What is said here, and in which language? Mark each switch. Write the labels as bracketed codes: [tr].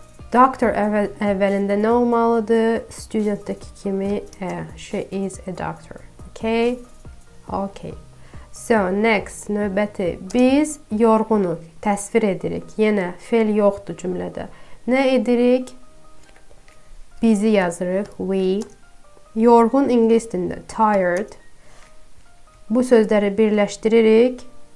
[az] Doctor əvvəlində nə olmalıdır? Studentdəki kimi, [en] she is a doctor, okay? Okay. So, next, [az] növbəti. Biz yorğunu təsvir edirik. Yenə fel yoxdur cümlədə. Nə edirik? Bizi yazırıq. We. Yorğun ingilis dilində. Tired. Bu sözləri birləşdiririk.